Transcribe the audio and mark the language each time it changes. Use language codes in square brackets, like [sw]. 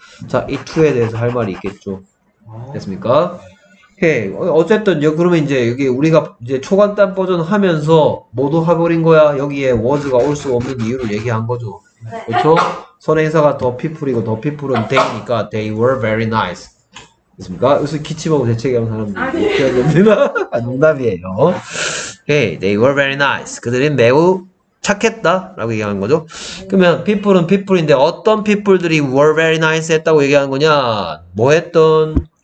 [ko] 자, 이 2에 대해서 할 말이 있겠죠. 됐습니까? 오케이. 어쨌든, 그러면 이제 여기 우리가 이제 초간단 버전 하면서 모두 해버린 거야. 여기에 was가 올 수 없는 이유를 얘기한 거죠. 그렇죠? 선행사가 [en] the people이고 the people은 they니까 they were very nice. [ko] 됐습니까? 여기서 기침하고 재채기하는 사람들이 기억이 없나? 농담이에요. [en] Okay, they were very nice. [ko] 그들은 매우 착했다. 라고 얘기하는 거죠. 그러면 people은 people인데 어떤 people들이 [en] were very nice [ko] 했다고 얘기하는 거냐. 뭐 했던?